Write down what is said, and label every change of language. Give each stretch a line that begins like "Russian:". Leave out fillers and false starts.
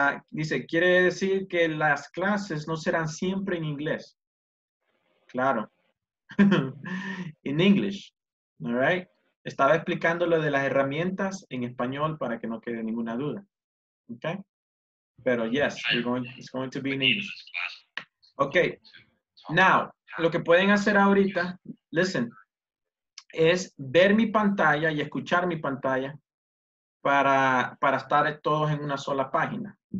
Spanish: Dice, quiere decir que las clases no serán siempre en inglés. Claro.
English: In English. All right.
Spanish: Estaba explicando lo de las herramientas en español para que no quede ninguna duda.
English: Okay. Pero yes, it's going to be in English. Okay.
Spanish: Now, lo que pueden hacer ahorita, listen, es ver mi pantalla y escuchar mi pantalla para estar todos en una sola página.